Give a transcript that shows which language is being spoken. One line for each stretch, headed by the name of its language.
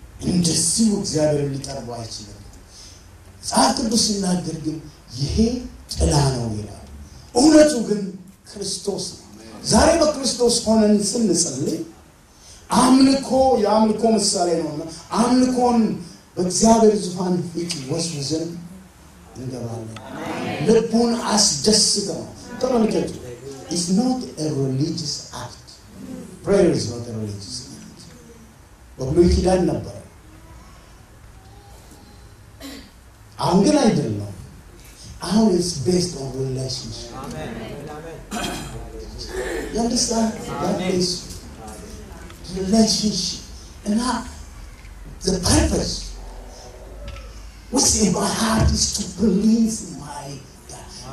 Amharic: እንደዚሁ እግዚአብሔር ሊጠርቡ አይችልም። ጻድቁስ ይናገር ግን ይሄ ጥላ ነው ይላል። እውነቱ ግን ክርስቶስ ነው። ዛሬ በክርስቶስ ሆነን ስንጸልይ አምልኮ ያምልኮ መስአለ ነው። አምልኮን በእግዚአብሔር ዙፋን ፊት ወስደን እንገባለን። አሜን። ልቡን አስደስተው ተመልከቱ።
English: It's not a religious act. Prayer is not a religious act.
Amharic: ወብሉይ ኪዳን ነበር። አሁን ግን አይደለም። አሁን
English: is based on relationship.
Amharic: አሜን።
English: You understand?
Amharic: አሜን።
English: Relationship and not the purpose. What's in my heart is to please my God.